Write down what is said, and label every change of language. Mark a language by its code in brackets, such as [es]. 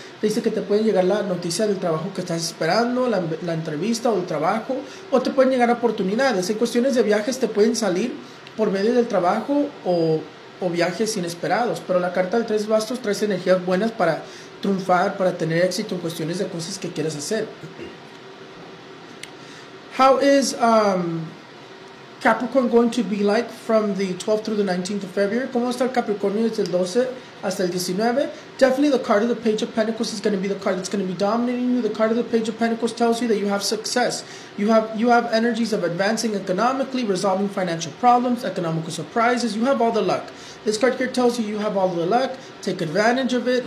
[es] Te dice que te pueden llegar la noticia del trabajo que estás esperando, la entrevista o el trabajo. O te pueden llegar oportunidades. En cuestiones de viajes te pueden salir por medio del trabajo o viajes inesperados. Pero la carta del 3 de bastos trae energías buenas para triunfar, para tener éxito en cuestiones de cosas que quieras hacer. [en] How is Capricorn going to be like from the 12th through the 19th of February? [es] ¿Cómo va a estar Capricornio desde el 12 hasta el 19? [en] Definitely the card of the Page of Pentacles is going to be the card that's going to be dominating you. The card of the Page of Pentacles tells you that you have success. You have energies of advancing economically, resolving financial problems, economical surprises. You have all the luck. This card here tells you have all the luck. Take advantage of it.